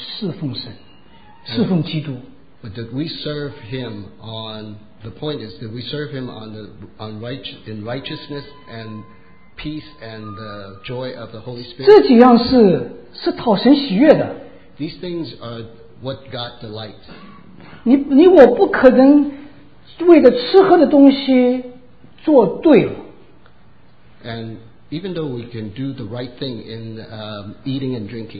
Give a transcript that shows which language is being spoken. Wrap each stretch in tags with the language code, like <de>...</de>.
<zh>你有没有我们你我有没有在公义和平跟圣灵中的喜悦是喜乐的事上来侍奉神侍奉基督。</zh> <en>But did we serve him on the point is that we serve him on the on righteous in righteousness and peace and the joy of the Holy Spirit?</en> <zh>这几样是讨神喜悦的。</zh> <en>These things are what God delights.</en> <zh>你我不可能为了吃喝的东西 做对了,</zh> <en>and even though we can do the right thing in eating and drinking,</en>